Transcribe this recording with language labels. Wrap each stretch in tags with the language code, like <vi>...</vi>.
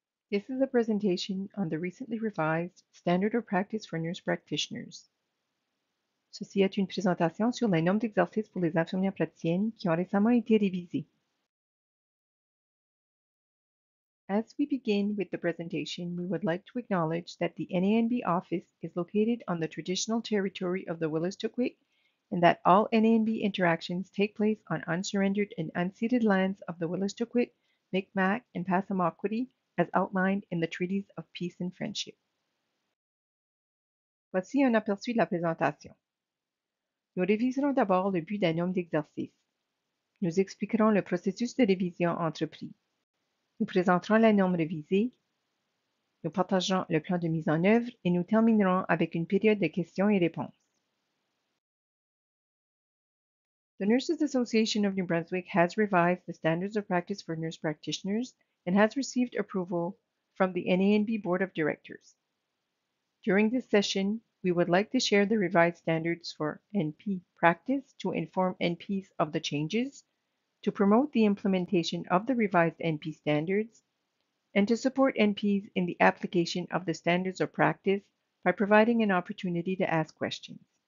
<en>This is a presentation on the recently revised Standard of Practice for Nurse Practitioners.</en> <fr>Ceci est une présentation sur les normes d'exercice pour les infirmières praticiennes qui ont récemment été révisées.</fr> <en>As we begin with the presentation, we would like to acknowledge that the NANB office is located on the traditional territory of the Willistoqwik and that all NANB interactions take place on unsurrendered and unceded lands of the Willistoqwik, Mi'kmaq, and Passamaquoddy, as outlined in the Treaties of Peace and Friendship.</en> <fr>Voici un aperçu de la présentation. Nous réviserons d'abord le but d'un homme d'exercice. Nous expliquerons le processus de révision entrepris. Nous présenterons la norme révisée. Nous partagerons le plan de mise en œuvre et nous terminerons avec une période de questions et réponses.</fr> <en>The Nurses Association of New Brunswick has revised the Standards of Practice for Nurse Practitioners and has received approval from the NANB Board of Directors. During this session, we would like to share the revised standards for NP practice to inform NPs of the changes, to promote the implementation of the revised NP standards, and to support NPs in the application of the standards of practice by providing an opportunity to ask questions.</en>